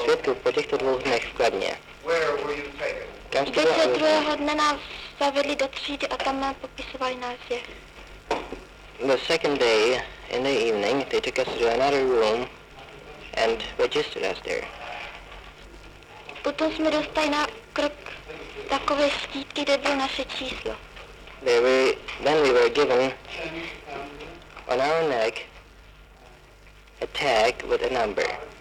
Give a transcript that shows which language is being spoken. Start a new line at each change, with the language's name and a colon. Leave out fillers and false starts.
Czech: Svědku, po těchto 2 dnech v Kladně.
English: Where were you taken?
Czech: Kam jste byla? Do 2. dne nás zavedli do třídy a tam nám popisovali nás je.
English: The second day in the evening they took us to another room and registered us there.
Czech: Potom jsme dostali na krk takové štítky, kde bylo naše číslo.
English: Then we were given on our neck a tag with a number.